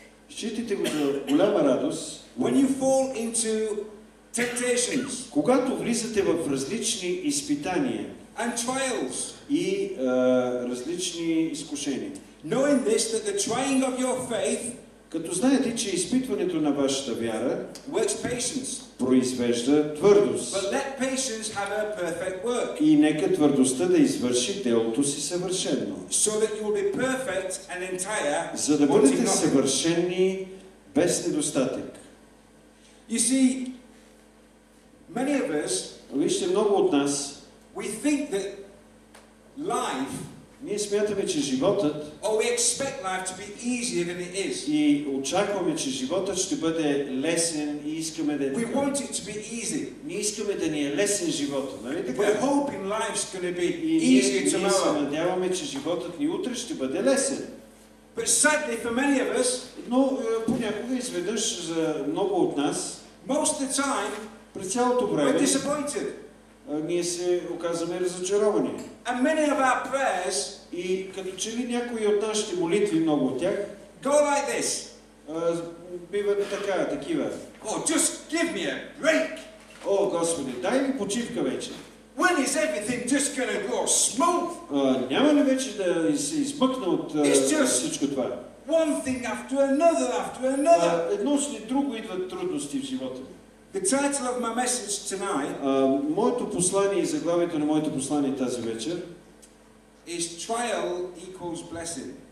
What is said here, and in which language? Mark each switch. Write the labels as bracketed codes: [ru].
[bg] Считайте го за голяма радост. [en] When you fall into temptations. [bg] Когато влизате в различни изпитания. [en] And trials. [bg] И различни изкушения. [en] Knowing this, that the trying of your faith, [bg] като знаете, че изпитването на вашата вяра [en] works patience, [bg] произвежда твърдост. [en] But let patience have a perfect work. [bg] И нека твърдостта да извърши делото си съвършено. [en] So that you will be perfect and entire, [bg] за да бъдете съвършени без недостатък. [en] You see, many of us, [bg] вижте, много от нас, [en] we think that life, [bg] ние смятаме, че животът, [en] or we expect life to be easier than it is. [bg] И очакваме, че животът ще бъде лесен и искаме да. [en] We want it to be easy. [bg] Ние искаме да ни е лесен животът, нали така? [en] We're hoping life's going to be easier tomorrow. [bg] Ние се надяваме, че животът ни утре ще бъде лесен. [en] But sadly for many of us, [bg] но понякога изведнъж за много от нас, [en] most of the time, [bg] през цялото време, [en] we're disappointed. [bg] Ние се оказваме разочаровани. [en] And many of our prayers, [bg] и като че ли някои от нашите молитви, много от тях, [en] go like this. [bg] Биват така, такива. [en] Oh, just give me a break. [bg] О, Господи, дай ми почивка вече. [en] When is everything just gonna go smooth? [bg] Няма ли вече да се измъкна от всичко това? [en] One thing after another, after another. [bg] Едно след друго идват трудности в живота. [en] The title of my message tonight, [bg] моето послание и заглавието на моето послание тази вечер, [en] is trial equals blessing.